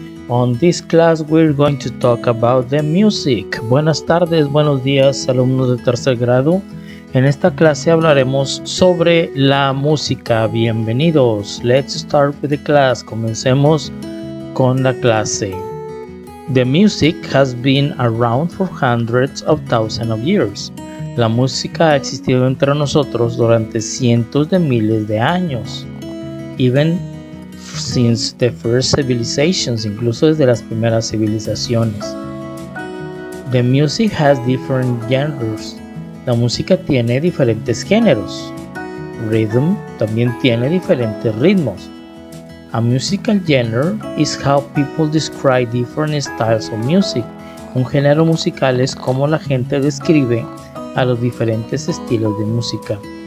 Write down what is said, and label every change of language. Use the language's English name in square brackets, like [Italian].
[English] On this class, we're going to talk about the music. [Spanish] Buenas tardes, buenos días, alumnos de tercer grado. En esta clase hablaremos sobre la música. Bienvenidos. [English] Let's start with the class. [Spanish] Comencemos con la clase. [English] The music has been around for hundreds of thousands of years. [Spanish] La música ha existido entre nosotros durante cientos de miles de años. [English] Even since the first civilizations, [Spanish] incluso desde las primeras civilizaciones. [English] The music has different genres. [Spanish] La música tiene diferentes géneros. Rhythm también tiene diferentes ritmos. [English] A musical genre is how people describe different styles of music. [Spanish] Un género musical es como la gente describe a los diferentes estilos de música.